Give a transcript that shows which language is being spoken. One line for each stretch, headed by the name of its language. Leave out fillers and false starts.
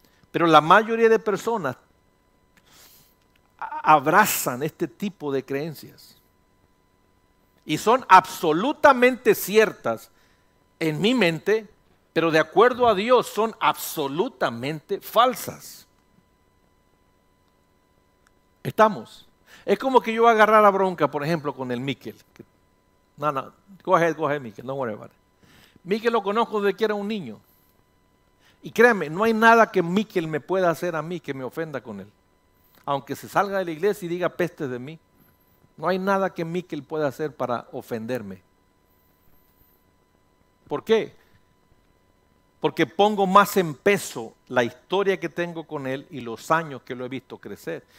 Spanish: Pero la mayoría de personas abrazan este tipo de creencias y son absolutamente ciertas en mi mente, pero de acuerdo a Dios son absolutamente falsas. ¿Estamos? Es como que yo agarrara bronca, por ejemplo, con el Miquel.
English: No, go ahead Miquel, don't worry about it.
Spanish: Miquel lo conozco desde que era un niño y créanme, no hay nada que Miquel me pueda hacer a mí que me ofenda con él. Aunque se salga de la iglesia y diga peste de mí, no hay nada que Miquel pueda hacer para ofenderme. ¿Por qué? Porque pongo más en peso la historia que tengo con él y los años que lo he visto crecer.